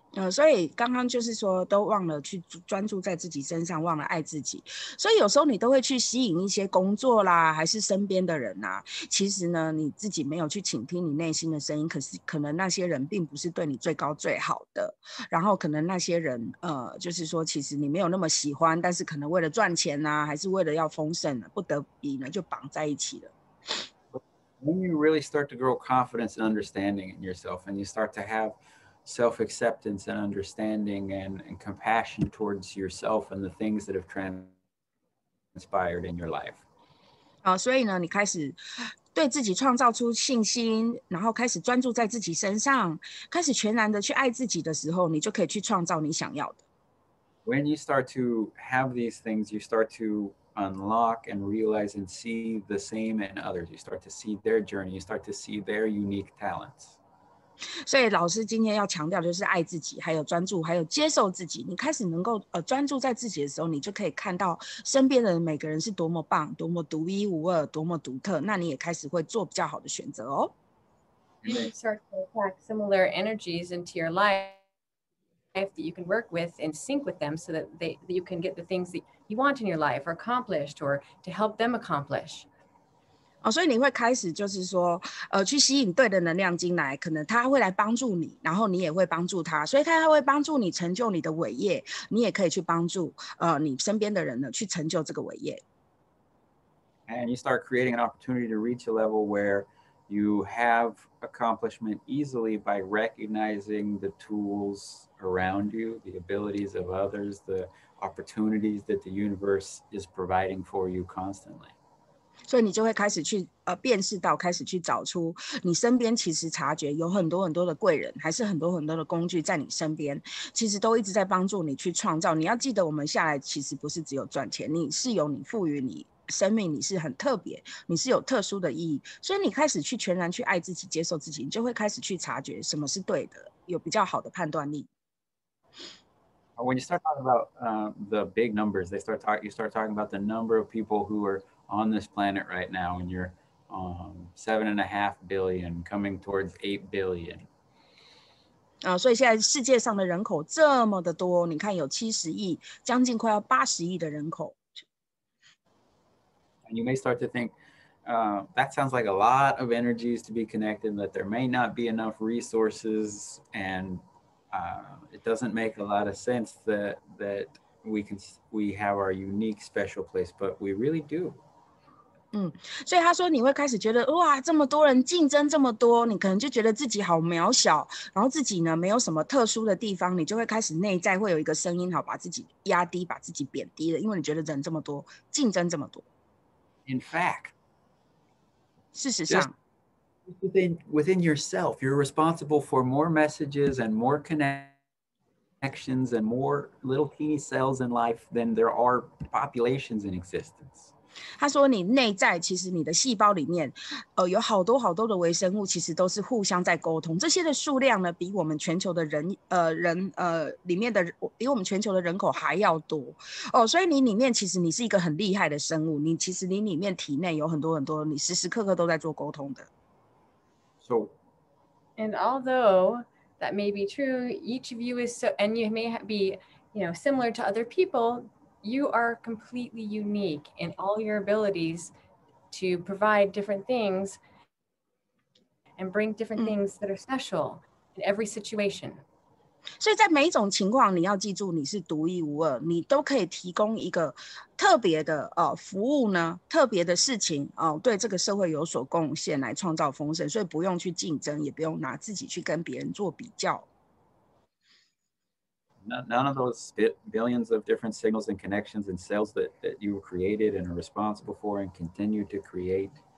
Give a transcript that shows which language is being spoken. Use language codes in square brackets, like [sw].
[zh] 所以刚刚就是说都忘了去专注在自己身上，忘了爱自己，所以有时候你都会去吸引一些工作啦，还是身边的人啦，其实呢你自己没有去倾听你内心的声音，可是可能那些人并不是对你最高最好的，然后可能那些人就是说其实你没有那么喜欢，但是可能为了赚钱啦，还是为了要丰盛，不得已呢就绑在一起了。 [en] When you really start to grow confidence and understanding in yourself and you start to haveself-acceptance and understanding and compassion towards yourself and the things that have transpired in your life. [zh] 所以呢，你开始对自己创造出信心，然后开始专注在自己身上，开始全然的去爱自己的时候，你就可以去创造你想要的。 [en] When you start to have these things, you start to unlock and realize and see the same in others. You start to see their journey. You start to see their unique talents. [zh] 所以老师今天要强调就是爱自己，还有专注，还有接受自己。你开始能够专注在自己的时候，你就可以看到身边的每个人是多么棒，多么独一无二，多么独特。那你也开始会做比较好的选择哦。 [en] You start to attract similar energies into your life that you can work with and sync with them so that that you can get the things that you want in your life or accomplished or to help them accomplish. [zh] 所以你会开始就是说去吸引对的能量进来，可能他会来帮助你，然后你也会帮助他，所以他会帮助你成就你的伟业，你也可以去帮助你身边的人呢去成就这个伟业。 [en] And you start creating an opportunity to reach a level where you have accomplishment easily by recognizing the tools around you, the abilities of others, the opportunities that the universe is providing for you constantly. [zh] 所以你就会开始去辨识到，开始去找出你身边其实察觉有很多很多的贵人，还是很多很多的工具在你身边，其实都一直在帮助你去创造。你要记得，我们下来其实不是只有赚钱，你是有你赋予你生命，你是很特别，你是有特殊的意义。所以你开始去全然去爱自己，接受自己，你就会开始去察觉什么是对的，有比较好的判断力。 [en] When you start talking about the big numbers, you start talking about the number of people who areOn this planet right now, and you're 7.5 billion coming towards 8 billion. [zh] 所以现在世界上的人口这么的多，你看有70亿，将近快要80亿的人口。 [en] And you may start to think, that sounds like a lot of energies to be connected, that there may not be enough resources, and it doesn't make a lot of sense that we have our unique special place, but we really do. [zh] 所以他说你会开始觉得哇，这么多人竞争这么多，你可能就觉得自己好渺小，然后自己呢没有什么特殊的地方，你就会开始内在会有一个声音，好把自己压低，把自己贬低了，因为你觉得人这么多，竞争这么多。 [en] In fact, [zh] 事实上 [en] within yourself, you're responsible for more messages and more connections and more little teeny cells in life than there are populations in existence. [zh] 他说你内在其实你的细胞里面有好多好多的微生物，其实都是互相在沟通，这些的数量呢比我们全球的里面的比我们全球的人口还要多所以你里面其实你是一个很厉害的生物，你其实你里面体内有很多很多你时时刻刻都在做沟通的。 [en] So And although that may be true, each of you is so, and you may be, you know, similar to other people, you are completely unique in all your abilities to provide different things and bring different things that are special in every situation. [zh] 所以在每一种情况，你要记住你是独一无二，你都可以提供一个特别的服务呢，特别的事情对这个社会有所贡献，来创造丰盛，所以不用去竞争，也不用拿自己去跟别人做比较。 [en] None of those billions of different signals and connections and cells that you created and are responsible for and continue to create.